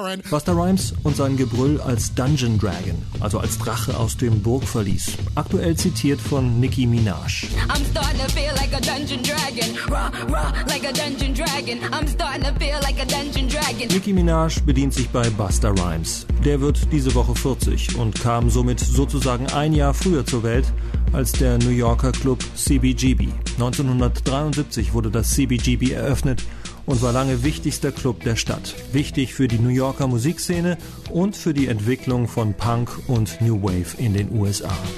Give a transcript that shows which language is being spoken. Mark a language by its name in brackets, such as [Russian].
[German] Busta Rhymes und sein Gebrüll als Dungeon Dragon, also als Drache aus dem Burgverlies, aktuell zitiert von Nicki Minaj. [English] I'm starting to feel like a dungeon dragon, rah, rah, like a dungeon dragon. I'm starting to feel like a dungeon dragon. [German] Nicki Minaj bedient sich bei Busta Rhymes. Der wird diese Woche 40 und kam somit sozusagen ein Jahr früher zur Welt als der New Yorker Club CBGB. 1973 wurde das CBGB eröffnet und war lange wichtigster Club der Stadt. Wichtig für die New Yorker Musikszene und für die Entwicklung von Punk und New Wave in den USA.